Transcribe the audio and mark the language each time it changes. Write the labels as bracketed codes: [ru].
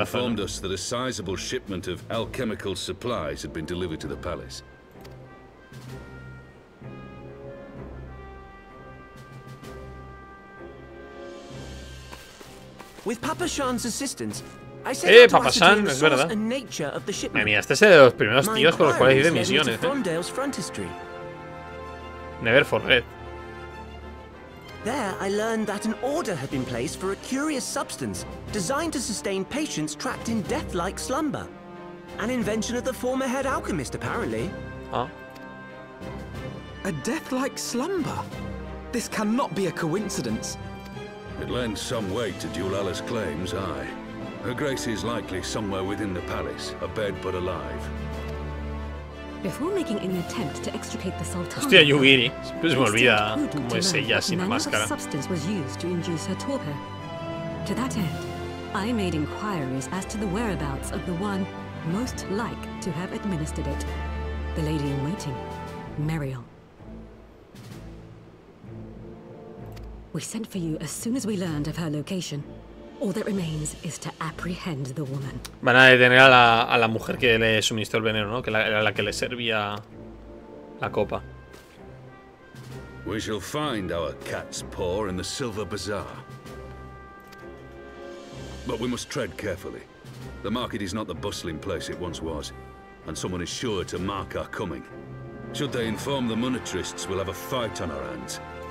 [en] informed us that a sizable shipment of alchemical supplies had been delivered to the palace. With Papa Shan's assistance, I said to ascertain the source and nature of the shipment. [es] Mira, este es de los primeros tíos con los cuales hice misiones, [en] Never forget. There, I learned that an order had been placed for a curious substance designed to sustain patients trapped in death-like slumber. An invention of the former head alchemist, apparently. Huh? A death-like slumber. This cannot be a coincidence. It lends some weight to Dulala's claims, aye. Her grace is likely somewhere within the palace, abed but alive. Before making any attempt to extricate the Sultana... [es] Hostia, Yugiri. Siempre se me olvida cómo es ella sin la máscara. [en] Substance was used to induce her torpor. To that end, I made inquiries as to the whereabouts of the one most like to have administered it. The lady in waiting, Meriel. We sent for you as soon as we learned of her location. All that remains is to apprehend the woman. [es] Van a detener a la mujer que le suministró el veneno, ¿no? Que era la que le servía la copa. [en] We shall find our cat's paw in the Silver Bazaar. But we must tread carefully. The market is not the bustling place it once was, and someone is sure to mark our coming. Should they inform the monetarists, we'll have a fight on our hands.